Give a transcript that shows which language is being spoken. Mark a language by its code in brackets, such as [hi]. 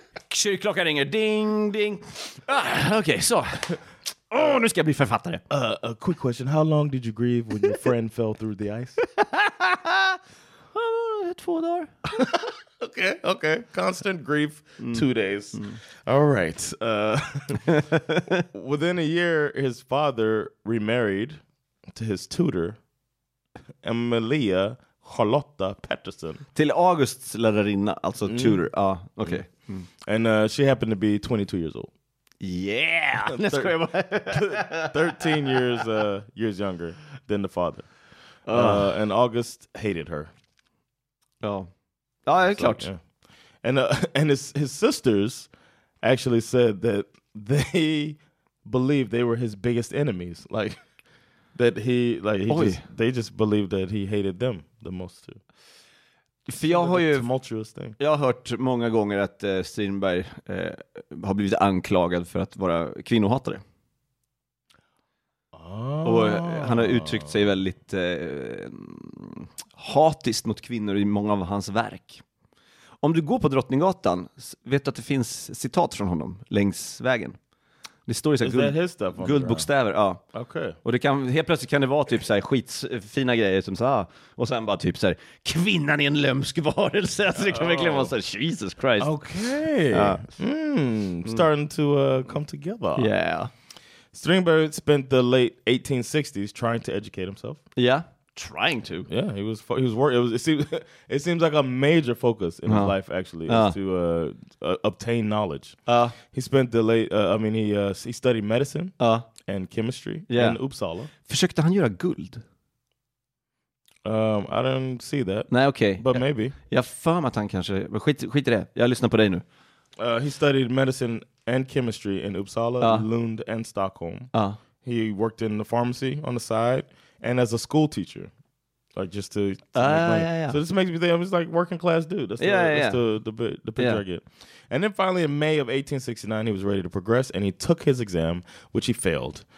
[sv] Kyrklockan ringer, ding, ding. Okej, så. Oh, nu ska jag bli författare. [en] A quick question. How long did you grieve when your friend fell through the ice? [sv] 2 dagar. [en] Okay. Constant grief, 2 days. Mm. All right. within a year, his father remarried to his tutor, Emilia Charlotta Patterson. [sv] Till Augusts lärarinna, alltså tutor. [en] And she happened to be 22 years old. Yeah, 13 years younger than the father. And August hated her. Oh, yeah, so, klart. Yeah. And his sisters actually said that they believed they were his biggest enemies. Like that he like he Oj. Just they just believed that he hated them the most too. [sv] För jag har ju [en] tumultuous thing. [sv] Jag har hört många gånger att Strindberg har blivit anklagad för att vara kvinnohatare. [en] Oh. [sv] Och han har uttryckt sig väldigt hatiskt mot kvinnor i många av hans verk. Om du går på Drottninggatan, vet du att det finns citat från honom längs vägen. Det står ju så guldbokstäver, ja. [en] Okay. [sv] Och det kan helt plötsligt kan det vara typ så här skitfina grejer som så här, och sen bara typ så här kvinnan är en lömsk varelse, så det kan verkligen vara så här, [en] Jesus Christ. Okay. Ja. Mm, starting to come together. Yeah. Strindberg spent the late 1860s trying to educate himself. Yeah. Trying to. Yeah, he was worried. It seems like a major focus in his life, actually, is to obtain knowledge. He spent the late, he studied medicine and chemistry in Uppsala. [sv] Försökte han göra guld? [en] I don't see that. [sv] Nej, okej. [en] Okay. But maybe. [sv] Jag för mig att han kanske, men skit i det. Jag lyssnar på dig nu. [en] He studied medicine and chemistry in Uppsala, Lund, and Stockholm. He worked in the pharmacy on the side. And as a school teacher, like just to make money. So this makes me think I'm just like working class dude. That's the picture I get. And then finally, in May of 1869, he was ready to progress, and he took his exam, which he failed.